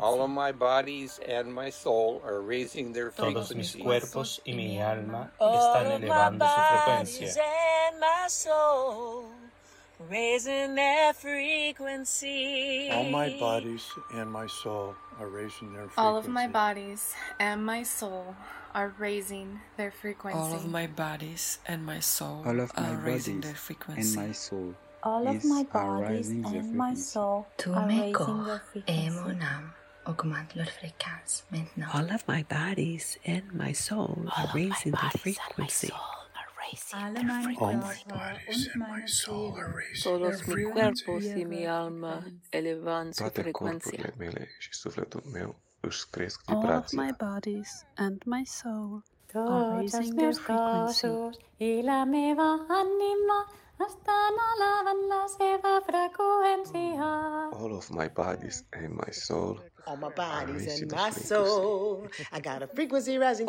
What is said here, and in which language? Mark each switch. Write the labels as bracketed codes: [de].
[en] All of my bodies and my soul are raising their frequency. [es] Todos mis cuerpos y mi alma están elevando su frecuencia. [en] All of my bodies and my soul raising their frequency. All my bodies and my soul are raising their frequency. All of my bodies and my soul are raising their frequency. All of my bodies and my soul are raising their frequency. And my soul. All of my bodies and my soul are raising their frequency. All of my bodies and my soul are raising their frequency. All my bodies and my soul are raising their frequency. [es] Todos mis cuerpos y mi alma elevan su frecuencia. [ro] Toate corpurile mele și sufletul meu își cresc vibrația. [en] All of my bodies and my soul are raising their frequency. All of my bodies and my soul. All my bodies and my soul. I got a frequency rising.